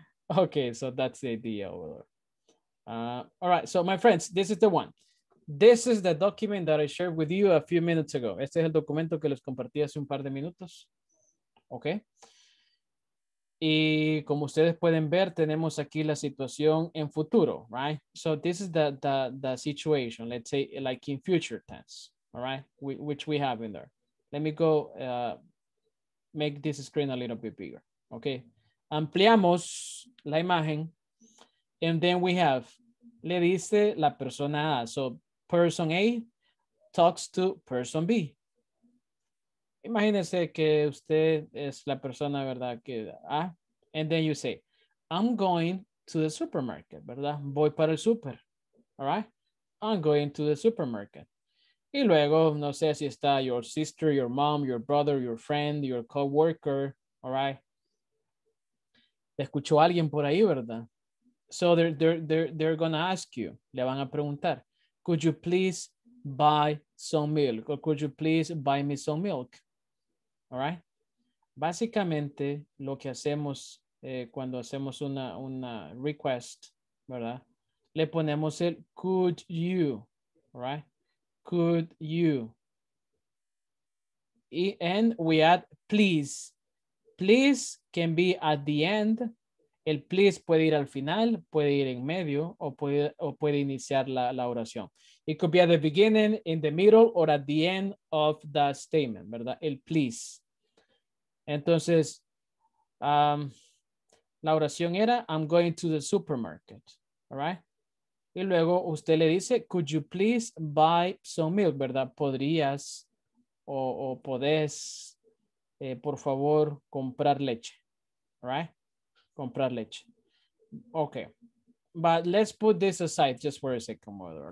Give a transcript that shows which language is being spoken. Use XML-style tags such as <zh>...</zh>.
<en>Okay, so that's the idea over there. All right, so my friends, this is the one. This is the document that I shared with you a few minutes ago.</en> <es>Este es el documento que les compartí hace un par de minutos. Okay. Y como ustedes pueden ver, tenemos aquí la situación en futuro, right?</es> <en>So this is the situation, let's say like in future tense, all right? Which we have in there. Let me go make this screen a little bit bigger, okay?</en> <es>Ampliamos la imagen</es> <en>and then we have,</en> <es>le dice la persona A.</es> <en>So person A talks to person B.</en> <es>Imagínese que usted es la persona, ¿verdad? Que,</es> <en>and then you say, I'm going to the supermarket, ¿verdad?</en> <es>Voy para el super,</es> <en>all right? I'm going to the supermarket.</en> <es>Y luego, no sé si está</es> <en>your sister, your mom, your brother, your friend, your coworker, all right?</en> <es>Escuchó alguien por ahí, ¿verdad?</es> <en>So they're going to ask you,</en> <es>le van a preguntar,</es> <en>could you please buy some milk? Or could you please buy me some milk? All right.</en> <es>Básicamente, lo que hacemos cuando hacemos una request, ¿verdad? Le ponemos el</es> <en>could you, right? Could you. And we add please. Please can be at the end.</en> <es>El please puede ir al final, puede ir en medio o puede iniciar la oración.</es> <en>It could be at the beginning, in the middle, or at the end of the statement, ¿verdad? El please.</en> <es>Entonces, la oración era,</es> <en>I'm going to the supermarket, all right?</en> <es>Y luego usted le dice,</es> <en>could you please buy some milk, ¿verdad?</en> <es>Podrías o podés, por favor, comprar leche, all right? Comprar leche.</es> <en>Okay, but let's put this aside just for a second, mother.</en>